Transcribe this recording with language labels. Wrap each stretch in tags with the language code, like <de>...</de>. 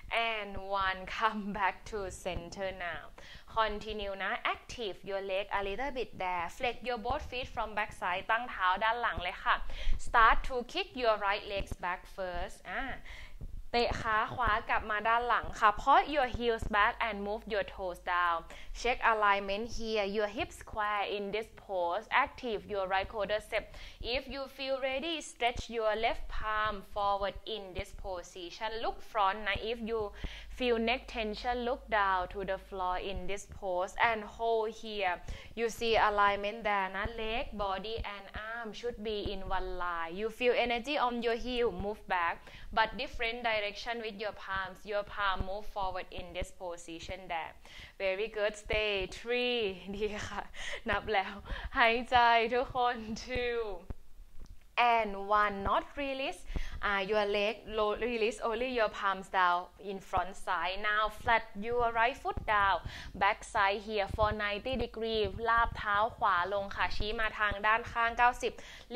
<en>and 1 come back to center now continue นะ active your leg a little bit there flex your both feet from back side</en> <th>ตั้งเท้าด้านหลังเลยค่ะ</th> <en>start to kick your right legs back first</en> <th>เตะขาขวากลับมาด้านหลังค่ะ</th> <en>Point your heels back and move your toes down. Check alignment here. Your hips square in this pose. Active your right quadricep. If you feel ready, stretch your left palm forward in this position. Look front. Now, if you feel neck tension, look down to the floor in this pose and hold here. You see alignment there. Now, leg, body, and arm should be in one line. You feel energy on your heel. Move back, but different. Direction with your palms. Your palm move forward in this position there. Very good. Stay. Three.</en> <th>ดีค่ะ นับแล้ว หายใจ ทุกคน.</th> <en>Two. And one. Not release. Your leg. Release only your palms down in front side. Now flat your right foot down. Back side here for 90 degree.</en> <th>ลาบเท้าขวาลงค่ะ ชี้มาทางด้านข้าง 90.</th>